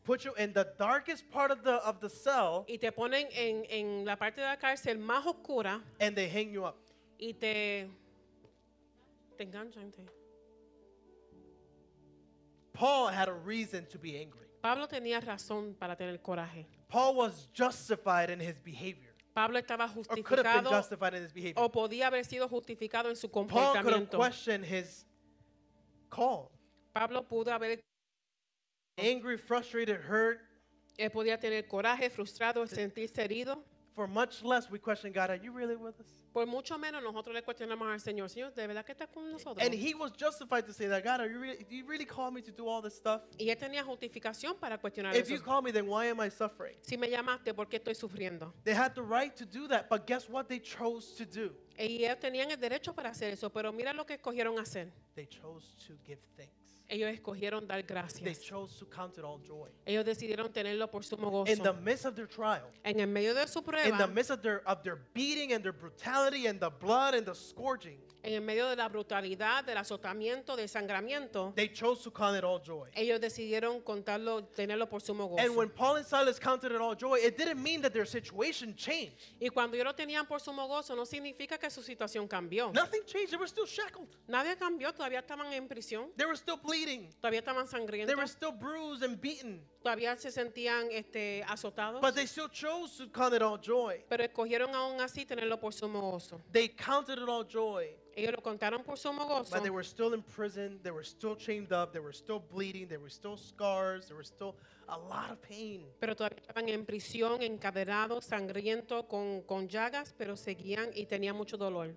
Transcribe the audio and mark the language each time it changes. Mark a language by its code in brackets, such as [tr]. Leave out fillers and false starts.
[en] Put you in the darkest part of the cell. [es] Y te ponen en la parte de la cárcel más oscura. [en] And they hang you up. [es] Y te enganchan. [en] Paul had a reason to be angry. [es] Pablo tenía razón para tener coraje. [en] Paul was justified in his behavior. [es] Pablo estaba justificado. [en] Or could have been justified in his behavior. [es] O podía haber sido justificado en su comportamiento. [en] Paul could have questioned his call. [es] Pablo pudo haber [en] angry, frustrated, hurt. [es] Él podía tener coraje, frustrado, sentirse herido. [en] for much less we question God, are you really with us? [es] Por mucho menos nosotros le cuestionamos al Señor, Señor, ¿de verdad que estás con nosotros? [en] And he was justified to say that, God, do you really call me to do all this stuff? [es] Y él tenía justificación para cuestionar eso. [en] If you call me, then why am I suffering? [es] Si me llamaste, ¿por qué estoy sufriendo? [en] They had the right to do that, but guess what they chose to do? [es] Y ellos tenían el derecho para hacer eso, pero mira lo que escogieron hacer. [en] They chose to give thanks. [es] Ellos escogieron dar gracias. [en] They chose to count it all joy. [es] Ellos decidieron tenerlo por sumo gozo. [en] In the midst of their trial, [es] en el medio de su prueba, [en] in the midst of their beating and their brutality and the blood and the scourging, [es] en el medio de la brutalidad, del azotamiento, del sangramiento, [en] they chose to count it all joy. [es] Ellos decidieron contarlo, tenerlo por sumo gozo. [en] And when Paul and Silas counted it all joy, it didn't mean that their situation changed. [es] Y cuando ellos lo tenían por sumo gozo, no significa que su situación cambió. [en] Nothing changed. They were still shackled. [es] Nadie cambió. Todavía estaban en prisión. [en] They were still bleeding. They were still bruised and beaten. [es] Todavía se sentían azotados. [en] But they still chose to count it all joy. [es] Pero escogieron aún así tenerlo por sumo gozo. [en] They counted it all joy. [es] Ellos lo contaron por sumo gozo. [en] But they were still in prison. They were still chained up. They were still bleeding. There were still scars. There were still a lot of pain. [es] Pero todavía estaban en prisión, encadenados, sangriento, con llagas, pero seguían y tenían mucho dolor.